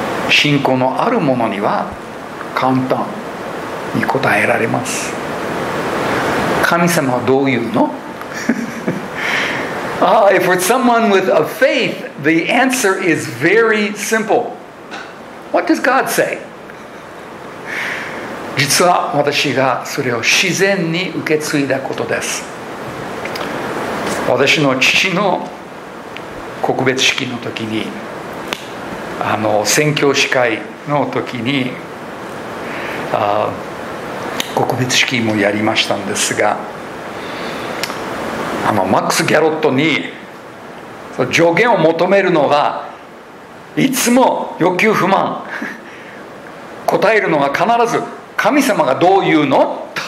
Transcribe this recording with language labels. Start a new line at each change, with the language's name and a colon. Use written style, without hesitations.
Japanese: 信仰のあるものには簡単に答えられます。神様はどう言うの？
English: If for someone with a faith, the answer is very simple. What does God say?
Japanese: 実は私がそれを自然に受け継いだことです。私の父の告別式の時に、宣教師会の時に告別式もやりましたんですが、マックス・ギャロットに助言を求めるのがいつも欲求不満、答えるのが必ず神様がどう言うの？